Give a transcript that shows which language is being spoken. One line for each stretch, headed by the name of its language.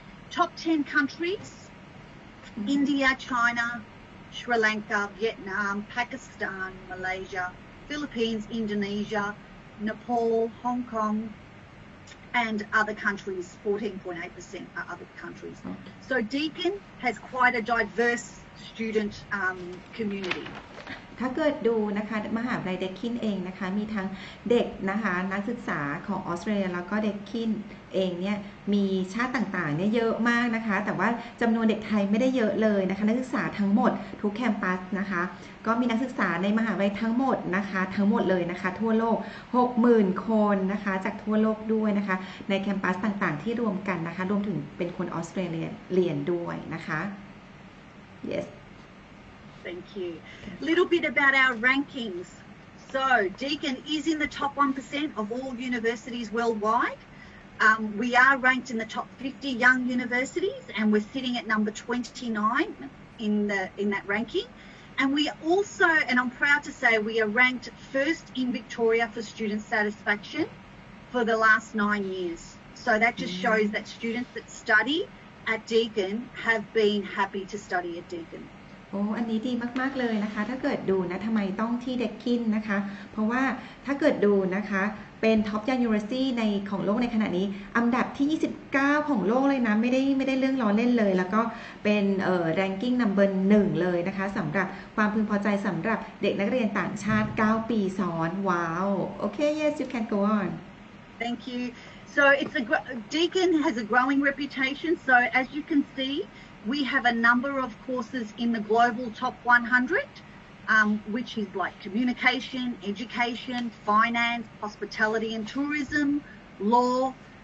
English: Top 10 countries, India, China, Sri Lanka, Vietnam, Pakistan, Malaysia, Philippines, Indonesia, Nepal, Hong Kong, and other countries, 14.8% are other countries. So Deakin has quite a diverse student community.
Thai: ถ้าเกิดดูนะคะมหาวิทยาลัยเดคินเองนะคะมีทั้งเด็กนะคะนักศึกษาของออสเตรเลียแล้วก็เดคินเองเนี่ยมีชาติต่างๆเนี่ยเยอะมากนะคะแต่ว่าจำนวนเด็กไทยไม่ได้เยอะเลยนะคะนักศึกษาทั้งหมดทุกแคมปัสนะคะก็มีนักศึกษาในมหาวิทยาลัยทั้งหมดนะคะทั้งหมดเลยนะคะทั่วโลก 60,000 คนนะคะจากทั่วโลกด้วยนะคะในแคมปัสต่างๆที่รวมกันนะคะรวมถึงเป็นคนออสเตรเลียเรียนด้วยนะคะ Yes
English: Thank you. Little bit about our rankings. So Deakin is in the top 1% of all universities worldwide. We are ranked in the top 50 young universities, and we're sitting at number 29 in that ranking. And we also, and I'm proud to say, we are ranked first in Victoria for student satisfaction for the last 9 years. So that just shows that students that study at Deakin have been happy to study at Deakin.
Thai: โอ้อันนี้ดีมากๆเลยนะคะถ้าเกิดดูนะทำไมต้องที่เด็กคินนะคะเพราะว่าถ้าเกิดดูนะคะเป็นท็อปยังยูนิเวอร์ซิตี้ในของโลกในขณะนี้อันดับที่29ของโลกเลยนะไม่ได้เรื่องล้อเล่นเลยแล้วก็เป็นแรงกิ้งนัมเบอร์1เลยนะคะสำหรับความพึงพอใจสำหรับเด็กนักเรียนต่างชาติ9ปีซ้อนว้าวโอเค
English: yes you can go on thank you so it's Deakin has a growing reputation so as you can seeWe have a number of courses in the global top 100, which is like communication, education, finance, hospitality and tourism, law,